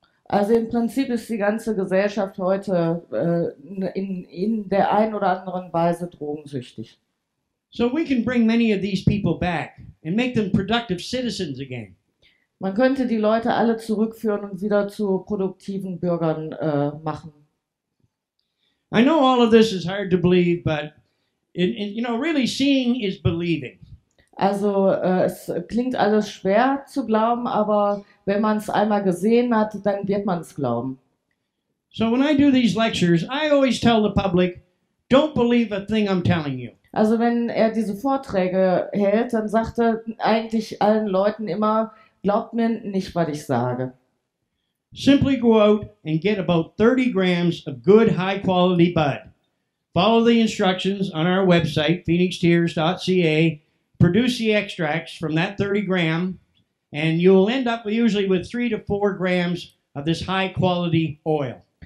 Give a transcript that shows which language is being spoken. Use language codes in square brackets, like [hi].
[de] Also im Prinzip ist die ganze Gesellschaft heute in der einen oder anderen Weise drogensüchtig. [en] So we can bring many of these people back and make them productive citizens again. [de] Man könnte die Leute alle zurückführen und wieder zu produktiven Bürgern machen. [en] I know all of this is hard to believe, but you know, really seeing is believing. [de] Also es klingt alles schwer zu glauben, aber wenn man es einmal gesehen hat, dann wird man es glauben. [en] So when I do these lectures, I always tell the public, don't believe a thing I'm telling you. [de] Also wenn er diese Vorträge hält, dann sagt er eigentlich allen Leuten immer, glaubt mir nicht, was ich sage. [en] Simply go out and get about 30 grams of good high quality bud. Follow the instructions on our website phoenixtears.ca. Produce the extracts from that 30 gram and you'll end up usually with 3 to 4 grams of this high quality oil.